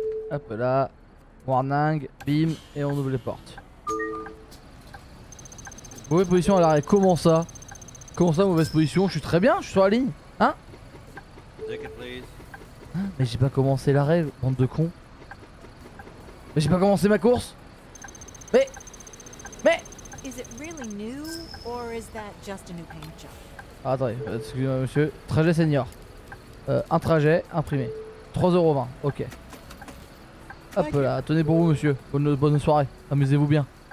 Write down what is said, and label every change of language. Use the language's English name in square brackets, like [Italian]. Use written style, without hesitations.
[French] Hop là. Warning, bim, et on ouvre les portes. Mauvaise position à l'arrêt, comment ça? Comment ça, mauvaise position? Je suis très bien, je suis sur la ligne. Mais j'ai pas commencé l'arrêt, bande de cons. Mais j'ai pas commencé ma course. [English] Mais is it really new or is that just a new paint job? [French] Attendez, excusez-moi monsieur. Trajet senior. Un trajet imprimé. 3,20€. Ok. Hop là, tenez pour vous monsieur. Bonne soirée. Amusez-vous bien.